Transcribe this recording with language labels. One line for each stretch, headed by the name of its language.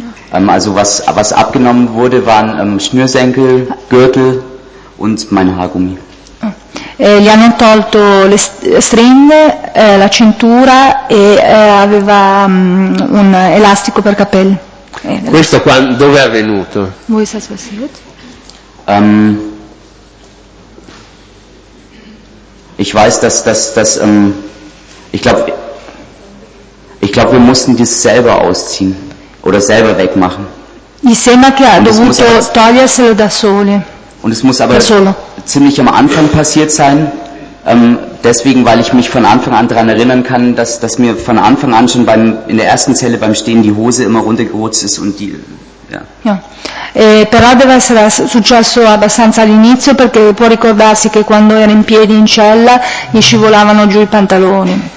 German: Also was abgenommen wurde waren Schnürsenkel, Gürtel und mein Haargummi.
Italian: Gli hanno tolto le stringhe, la cintura e aveva un elastico per capelli. Questo quando, dove è avvenuto?
German: Wo ist das passiert? Ich weiß, dass ich glaube, wir mussten das selber ausziehen oder selber wegmachen.
Italian: Mi sembra che ha dovuto toglierselo da sole.
German: Und es muss aber ziemlich am Anfang passiert sein, deswegen, weil ich mich von Anfang an daran erinnern kann, dass mir von Anfang an schon in der ersten Zelle beim Stehen die Hose immer runtergerutscht ist und die, ja. Ja.
Italian: Però deve essere successo abbastanza all'inizio, perché può ricordarsi che quando era in piedi in cella gli scivolavano giù i pantaloni.